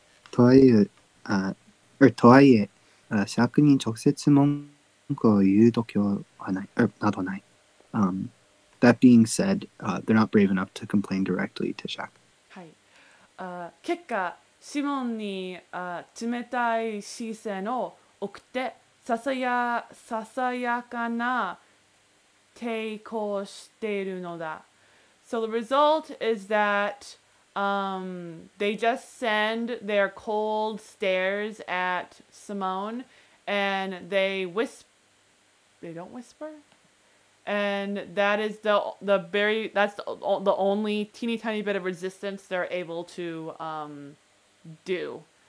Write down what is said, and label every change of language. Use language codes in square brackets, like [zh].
[ja] とはいえ、シャークに直接文句を言う時はない、などない。 [en] That being said, they're not brave enough to complain directly to Shaq. [ja] はい。結果、シモンに冷たい視線を送って、ささやかな抵抗しているのだ。 [en] So the result is that they just send their cold stares at Simone, and they don't whisper? And that is the only teeny tiny bit of resistance they're able to do.